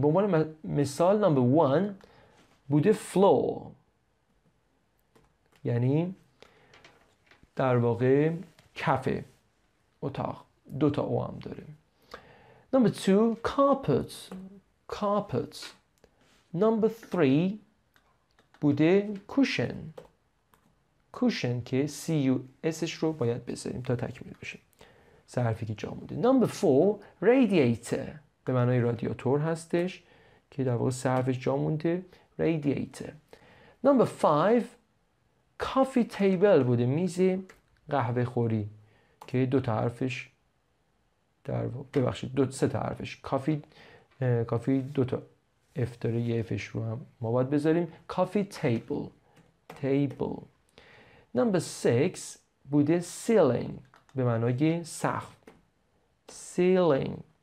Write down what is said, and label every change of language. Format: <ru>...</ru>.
<fa>به عنوان مثال</fa> <en>number 1</en> <fa>بوده floor، یعنی در واقع کف اتاق، دوتا او هم داره. نمبر 2 carpet،</fa> <en>carpet. Number three</en> <fa>بوده</fa> <en>cushion.</en> <fa>Cushion که C-U-S-ش رو باید بذاریم تا تکمیل بشه. سه حرفی که جا مونده.</fa> <en>Number four, radiator.</en> <fa>به معنای رادیاتور هستش که در واقع سه حرفش جا مونده.</fa> <en>Radiator. Number five, coffee table</en> <fa>بوده. میز قهوه خوری که دو تا حرفش در واقع ببخشید دو سه تا حرفش کافی دو تا اف داره یه افش رو هم ما باید بذاریم</fa> <en>coffee table table number 6</en> <fa>بوده سیلینگ به معنای سقف سیلینگ</fa>